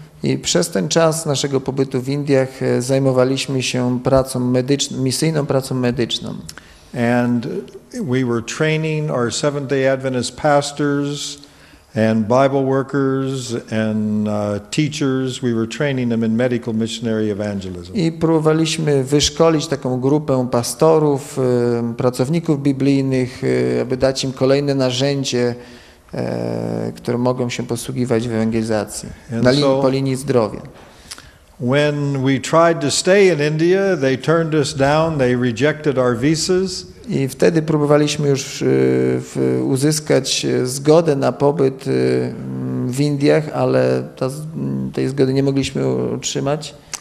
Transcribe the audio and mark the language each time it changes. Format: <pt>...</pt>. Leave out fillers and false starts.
<pl>I przez ten czas naszego pobytu w Indiach zajmowaliśmy się pracą medyczną, misyjną pracą medyczną.</pl> <en>And we were training our Seventh-day Adventist pastors and Bible workers and teachers. We were training them in medical missionary evangelism.</en> <pl>I próbowaliśmy wyszkolić taką grupę pastorów, pracowników biblijnych, aby dać im kolejne narzędzie, które mogą się posługiwać w ewangelizacji po linii zdrowia.</pl> <en>When we tried to stay in India, they turned us down, they rejected our visas.</en> <pl>I wtedy próbowaliśmy już uzyskać zgodę na pobyt w Indiach, ale tej zgody nie mogliśmy otrzymać.</pl>